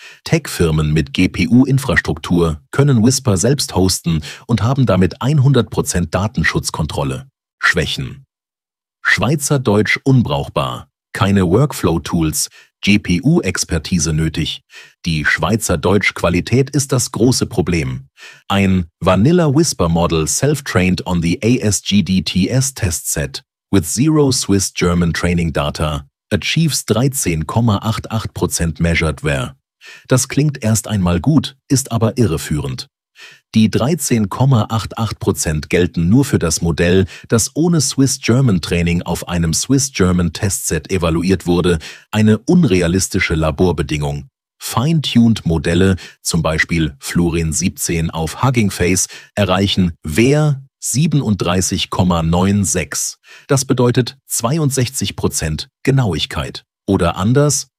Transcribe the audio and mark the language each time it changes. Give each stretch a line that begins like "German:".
German: Tech-Firmen mit GPU-Infrastruktur können Whisper selbst hosten und haben damit 100% Datenschutzkontrolle. Schwächen: Schweizerdeutsch unbrauchbar, keine Workflow-Tools, GPU-Expertise nötig. Die Schweizerdeutsch-Qualität ist das große Problem.
English: Ein Vanilla-Whisper-Model self-trained on the ASGDTS Testset with zero Swiss German Training Data achieves 13,88% Measured Wear.
German: Das klingt erst einmal gut, ist aber irreführend. Die 13,88% gelten nur für das Modell, das ohne Swiss-German-Training auf einem Swiss-German-Testset evaluiert wurde, eine unrealistische Laborbedingung. Fine-Tuned-Modelle, zum Beispiel Florin 17 auf Hugging Face, erreichen WEAR 37,96. Das bedeutet 62% Genauigkeit. Oder anders: